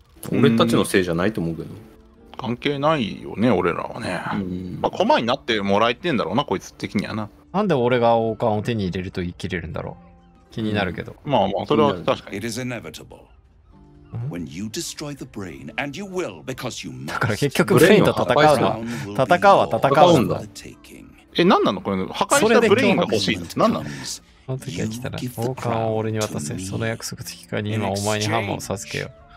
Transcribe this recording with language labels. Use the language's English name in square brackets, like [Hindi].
[Japanese] 俺たちのせいじゃないと思うけど、うん、関係ないよね俺らはね、うん、まあ駒になってもらえてんだろうなこいつ的には。ななんで俺が王冠を手に入れると言い切れるんだろう。気になるけど、うん、まあまあそれは確かに。 [English] It is inevitable. When you destroy the brain, and you will because you must. [Japanese] だから結局ブレインと戦うの。戦うは戦うんだ。え、何なのこれ。破壊したブレインが欲しいって何なの。その時が来たら王冠を俺に渡せ。その約束的かに今お前にハンマーを授けよう。